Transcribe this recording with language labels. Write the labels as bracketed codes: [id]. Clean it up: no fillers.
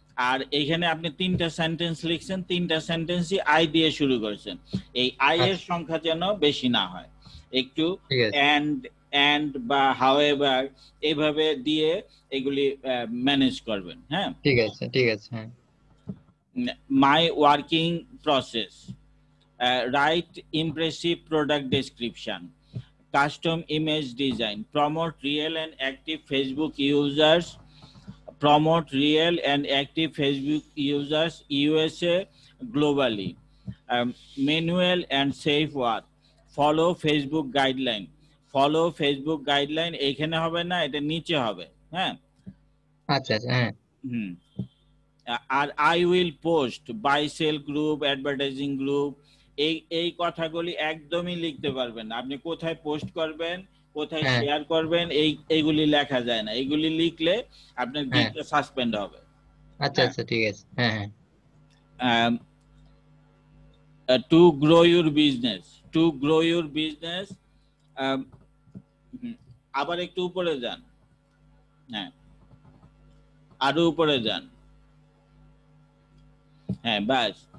[bn] আর এখানে আপনি তিনটা সেন্টেন্স লিখছেন, তিনটা সেন্টেন্সই আই দিয়ে শুরু করছেন, এই আই এর সংখ্যা যেন বেশি না হয়, একটু এন্ড এন্ড বা হাউএভার এভাবে দিয়ে এগুলি ম্যানেজ করবেন। হ্যাঁ ঠিক আছে, ঠিক আছে। [en] my working process, write impressive product description, custom image design, promote real and active Facebook users, promote real and active Facebook users USA globally, manual and safe work, follow Facebook guideline, follow Facebook guideline [bn] ekhane hobe na eta niche hobe, ha acha acha, ar [en] I will post buy sell group advertising group, [bn] ei ei kotha guli ekdomi likhte parben na, apni kothay post korben কোথায় share করবেন এই এগুলি লেখা যায় না, এগুলি লিখলে আপনার গিগটা সাসপেন্ড হবে। আচ্ছা আচ্ছা ঠিক আছে, হ্যাঁ হ্যাঁ। [en] to grow your business, [bn] to grow your business, আবার একটু উপরে যান, হ্যাঁ আরো উপরে যান, হ্যাঁ বাস।